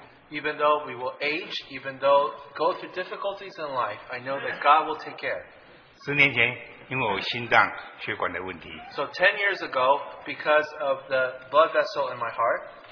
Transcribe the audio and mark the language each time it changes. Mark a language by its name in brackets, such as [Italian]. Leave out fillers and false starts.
[English] even though we will age, even though go through difficulties in life, I know that God will take care. [Chinese] 10年前,因为我心脏血管的问题, [English] so 10 years ago, because of the blood vessel in my heart,